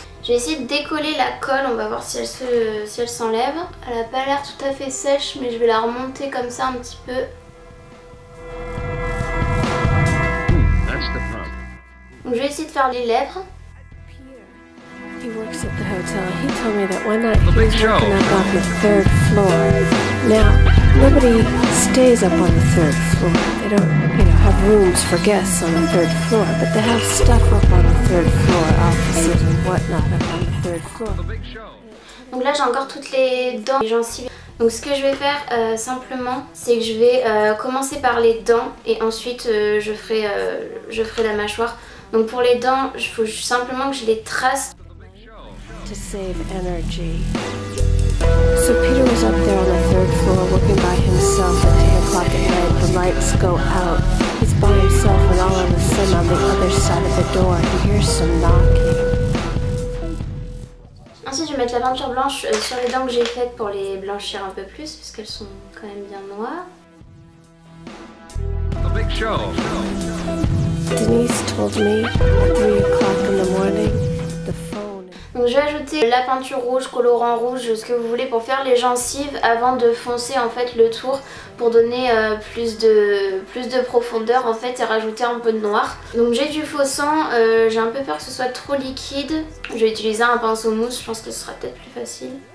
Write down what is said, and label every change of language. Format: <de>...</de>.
<fr>Je vais essayer de décoller la colle, on va voir si elle s'enlève. Elle a pas l'air tout à fait sèche, mais je vais la remonter comme ça un petit peu. Donc je vais essayer de faire les lèvres.</fr> <en>He works at the hotel. He told me that one night he was working up on the third floor. Now, nobody stays up on the third floor. They don't, you know, have rooms for guests on the third floor, but they have stuff up on the third floor, offices and whatnot up on the third floor.</en> <fr>Donc là, j'ai encore toutes les dents et les gencives. Donc ce que je vais faire simplement, c'est que je vais commencer par les dents et ensuite je ferai la mâchoire. Donc pour les dents, il faut simplement que je les trace.</fr> <en>To save energy. So Peter was up there on the third floor working by himself at 10 o'clock at night. The lights go out. He's by himself and all of a sudden on the other side of the door he hears some knocking.</en> <fr>Ensuite je vais mettre la peinture blanche sur les dents que j'ai faites pour les blanchir un peu plus puisqu'elles sont quand même bien noires.</fr> <en>The big show. Denise told me at 3 o'clock in the morning.</en> <fr>Donc je vais ajouter la peinture rouge, colorant rouge, ce que vous voulez pour faire les gencives avant de foncer en fait le tour pour donner plus de profondeur en fait et rajouter un peu de noir. Donc j'ai du faux sang, j'ai un peu peur que ce soit trop liquide. Je vais utiliser un pinceau mousse, je pense que ce sera peut-être plus facile.</fr>